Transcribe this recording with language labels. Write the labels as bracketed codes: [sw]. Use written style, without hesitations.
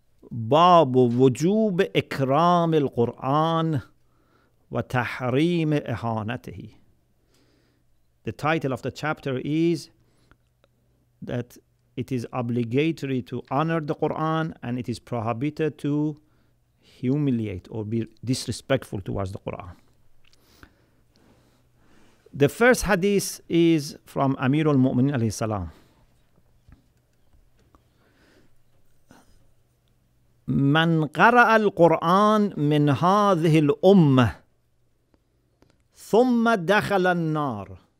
[ar] باب وجوب إكرام القرآن وتحريم إهانته. [en] The title of the chapter is that it is obligatory to honor the Quran and it is prohibited to humiliate or be disrespectful towards the Quran. The first hadith is from Amir al-Mu'minin alayhi salam. [ar] من قرأ القرآن من هذه الأمة ثم دخل النار.